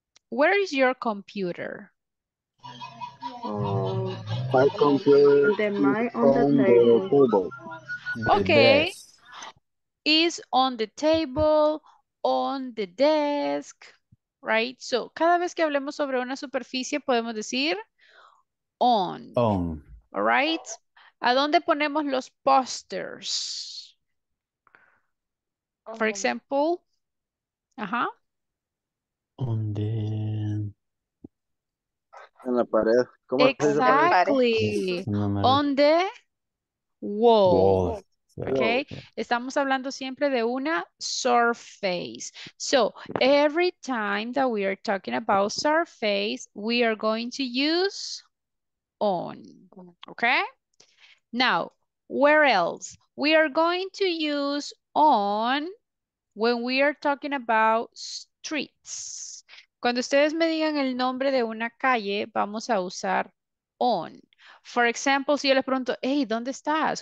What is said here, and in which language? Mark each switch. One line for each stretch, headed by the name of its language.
English: Where is your computer? My computer is on the table. Okay. Is on the table, on the desk, right?
Spanish: So, cada vez que hablemos sobre una superficie, podemos decir on.
English: On. All right?
Spanish: ¿A dónde ponemos los posters?
English: For example, on the...
Spanish: En la pared.
English: ¿Cómo exactly. On the wall. Okay.
Spanish: Estamos hablando siempre de una surface.
English: So, every time that we are talking about surface, we are going to use on. Okay? Now, where else? We are going to use on when we are talking about streets.
Spanish: Cuando ustedes me digan el nombre de una calle, vamos a usar on.
English: For example,
Spanish: si yo les pregunto, hey, ¿dónde estás?